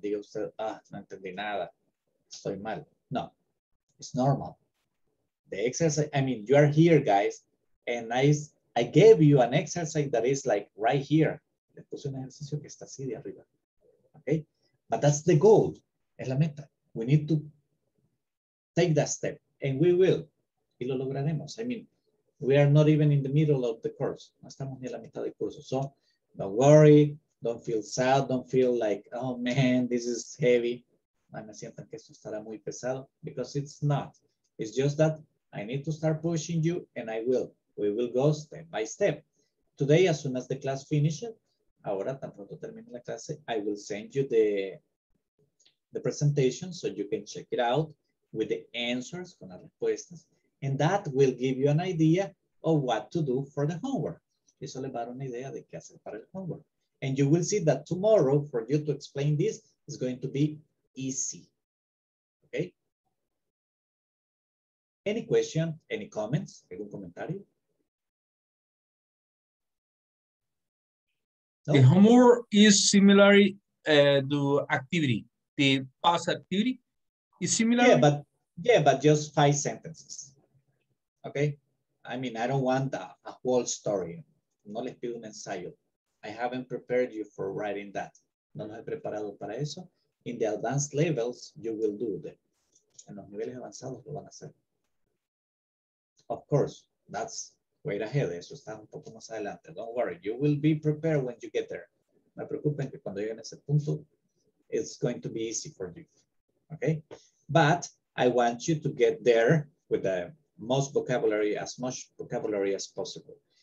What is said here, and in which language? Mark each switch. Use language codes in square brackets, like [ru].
[es] Diga usted, no entendí nada. Estoy mal. No. [en] It's normal. The exercise, I mean, you are here, guys. And I gave you an exercise that is like right here. [es] Le puse un ejercicio que está así de arriba. [en] Okay? But that's the goal. [es] Es la meta. [en] We need to take that step. And we will. [es] Y lo lograremos. [en] I mean, we are not even in the middle of the course. [es] No estamos ni a la mitad del curso. [en] So, don't worry. Don't feel sad. Don't feel like, oh man, this is heavy. [es] Me sientan que esto estará muy pesado, [en] because it's not. It's just that I need to start pushing you, and I will. We will go step by step. Today, as soon as the class finishes, [es] ahora, tan pronto termine la clase, [en] I will send you the presentation so you can check it out with the answers, [es] con las respuestas, [en] and that will give you an idea of what to do for the homework. [es] Eso le va a dar una idea de qué hacer para el homework. [en] And you will see that tomorrow, for you to explain this, is going to be easy. Okay. Any question? Any comments? [es] ¿Algún comentario? [en] No? The homework is similar to activity. The past activity is similar. Yeah, but just 5 sentences. Okay. I mean, I don't want a whole story. [es] No les pido un ensayo. [en] I haven't prepared you for writing that. [es] No los he preparado para eso. [en] In the advanced levels, you will do that. [es] En los niveles avanzados lo van a hacer. [en] Of course, that's way ahead. [es] Eso está un poco más adelante. [en] Don't worry, you will be prepared when you get there. [es] No se preocupen que cuando lleguen a ese punto, [en] it's going to be easy for you. Okay? But I want you to get there with the most vocabulary, as much vocabulary as possible.